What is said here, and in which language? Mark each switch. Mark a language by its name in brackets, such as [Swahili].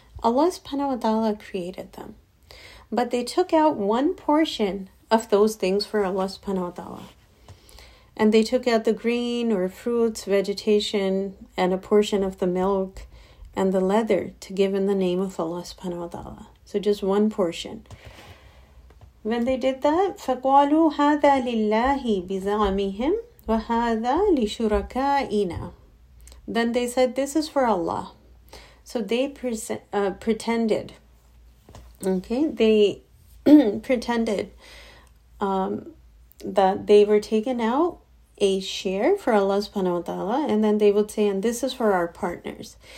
[English] Allah subhanahu wa ta'ala created them. But they took out one portion of those things for Allah subhanahu wa ta'ala. And they took out the grain or fruits, vegetation, and a portion of the milk and the leather to give in the name of Allah subhanahu wa ta'ala. So just one portion. When they did that, [Arabic] فَقَالُوا هَذَا لِلَّهِ بِزَعَمِهِمْ وَهَذَا لِشُرَكَائِنَا. [English] Then they said, this is for Allah. So they pretended, okay, they pretended that they were taken out a share for Allah subhanahu wa ta'ala, and then they would say, and this is for our partners.